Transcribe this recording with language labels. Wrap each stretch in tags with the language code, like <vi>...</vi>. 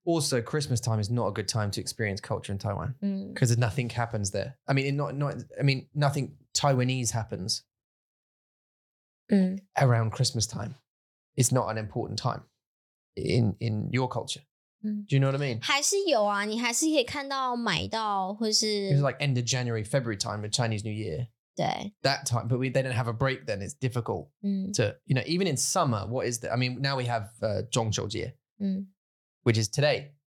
<en>Also, Christmas time is not a good time to experience culture in Taiwan because nothing happens there. I mean, nothing Taiwanese happens around Christmas time. It's not an important time in your culture. Do you know what I mean?</en> <zh>还是有啊，你还是可以看到买到或是</zh> <en>It's like end of January, February time with Chinese New Year.</en> <zh>对</zh> <en>That time, but they don't have a break then. It's difficult to, you know, even in summer, what is the, I mean, now we have 中秋节which is today.</en>